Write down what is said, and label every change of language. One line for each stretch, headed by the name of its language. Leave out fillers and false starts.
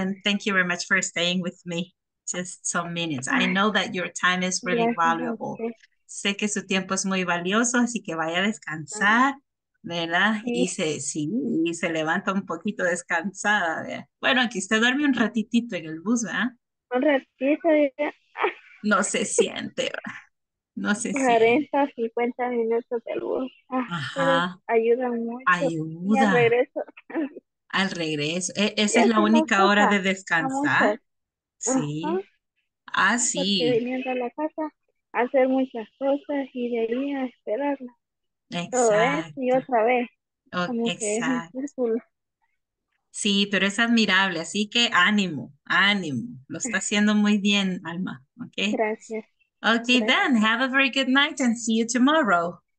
English: And thank you very much for staying with me. Just some minutes. I know that your time is really valuable.
Spanish: Sé que su tiempo es muy valioso, así que vaya a descansar, ¿verdad? Sí. Y se levanta un poquito descansada, ¿verdad? Bueno, aquí usted duerme un ratitito en el bus, ¿verdad? Un ratito, no se siente, ¿verdad? No se 40, 50 minutos del bus. Ajá. Ayuda mucho. Ayuda. Y al regreso. Al regreso. Esa es la única hora de descansar. Sí. Ajá. Ah, sí. Porque viniendo a la casa, hacer muchas cosas y de ahí a esperarla. Exacto. Todo eso y otra vez. Exacto. Sí, pero es admirable, así que ánimo, ánimo. Lo está haciendo muy bien, Alma. Okay. Gracias.
English: Okay, then, have a very good night and see you tomorrow.